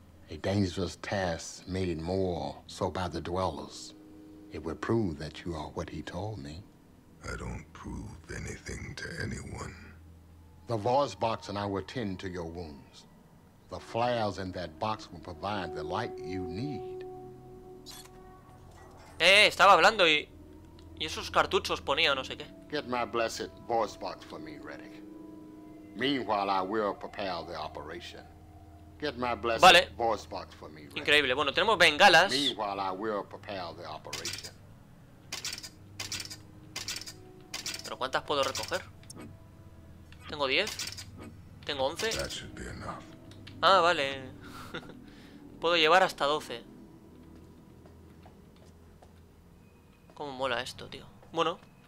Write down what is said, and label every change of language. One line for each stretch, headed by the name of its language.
English: A dangerous task made more so by the dwellers. It would prove that you are what he told me. I don't prove anything to anyone. The voice box and I will tend to your wounds. The flares in that box will provide the light you need.
Spanish: Estaba hablando y esos cartuchos ponía no sé qué.
English: Get my blessed voice box for me, Reddick. Meanwhile, I will prepare the operation. Get my blessed voice box for me, Reddick.
Spanish: Increíble. Bueno, tenemos bengalas.
English: Meanwhile, I will prepare the operation.
Spanish: ¿Pero cuántas puedo recoger? Tengo 10. Tengo 11.
English: That should be enough.
Spanish: Ah, vale. Puedo llevar hasta 12. ¿Cómo mola esto, tío? Bueno.